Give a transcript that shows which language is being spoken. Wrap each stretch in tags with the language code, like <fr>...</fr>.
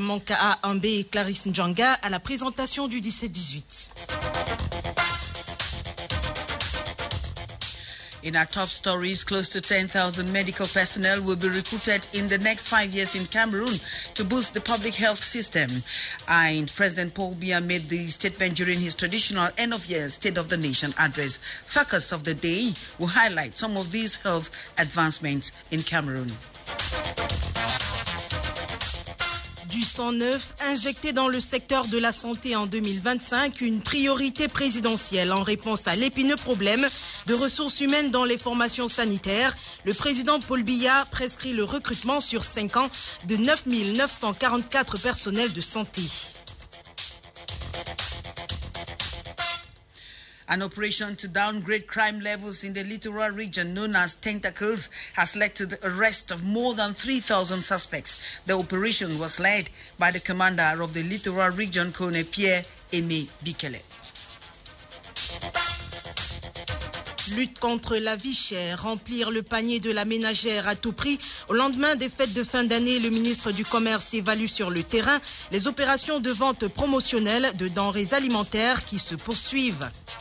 <fr>Manka A, Ambe et Clarisse Ndjanga à la présentation du 17-18.</fr> <en>In our top stories, close to 10,000 medical personnel will be recruited in the next 5 years in Cameroon to boost the public health system. And President Paul Biya made the statement during his traditional end-of-year State of the Nation address. Focus of the day will highlight some of these health advancements in Cameroon.</en> <fr>Du sang neuf injecté dans le secteur de la santé en 2025, une priorité présidentielle en réponse à l'épineux problème de ressources humaines dans les formations sanitaires. Le président Paul Biya prescrit le recrutement sur 5 ans de 9 944 personnels de santé.</fr> <en>An operation to downgrade crime levels in the littoral region known as Tentacles has led to the arrest of more than 3,000 suspects. The operation was led by the commander of the littoral region, Colonel Pierre-Aimé Bikele.</en> <fr>Lutte contre la vie chère, remplir le panier de la ménagère à tout prix. Au lendemain des fêtes de fin d'année, le ministre du Commerce évalue sur le terrain les opérations de vente promotionnelle de denrées alimentaires qui se poursuivent.</fr>